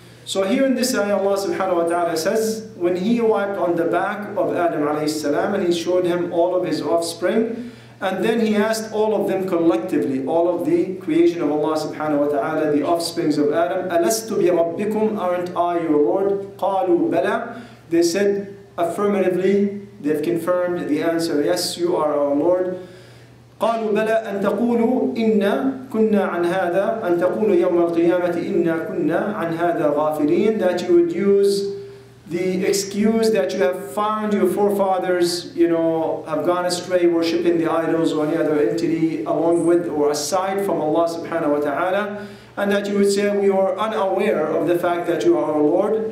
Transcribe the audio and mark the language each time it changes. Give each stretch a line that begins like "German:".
English: So here in this ayah, Allah subhanahu wa ta'ala says, when he wiped on the back of Adam alayhi salam and he showed him all of his offspring, and then he asked all of them collectively, all of the creation of Allah subhanahu wa ta'ala, the offsprings of Adam,
Arabic: أَلَسْتُ بِرَبِّكُمْ
English: aren't I your Lord?
Arabic: قَالُوا بَلَىٰ.
English: They said affirmatively, they've confirmed the answer, yes, you are our Lord.
Arabic: قالوا بلى أن تقولوا إنا كنا عن هذا أن تقولوا يوم القيامة إنا كنا عن هذا غافلين.
English: That you would use the excuse that you have found your forefathers, you know, have gone astray worshipping the idols or any other entity along with or aside from Allah subhanahu wa ta'ala, and that you would say we are unaware of the fact that you are our Lord.